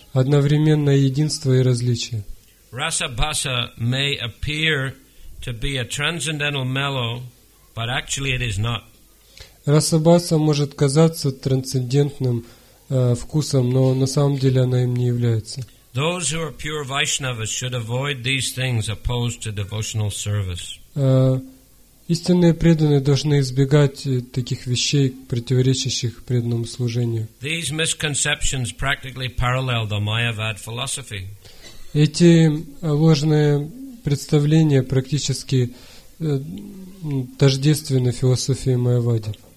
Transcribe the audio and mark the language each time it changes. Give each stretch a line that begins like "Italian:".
Russian: Одновременно единство и различие.
English: Rasabhasa may appear to be a transcendental mellow, but actually it is not.
Russian: Расабхаса может казаться трансцендентным вкусом, но на самом деле она им не является.
English: Those who are pure Vaishnavas should avoid these things opposed to devotional service.
Russian: Истинные преданные должны избегать таких вещей, противоречащих преданному служению.
English: These misconceptions practically parallel the Mayavad philosophy.
Russian: Эти ложные представления практически тождественны философии Майявады.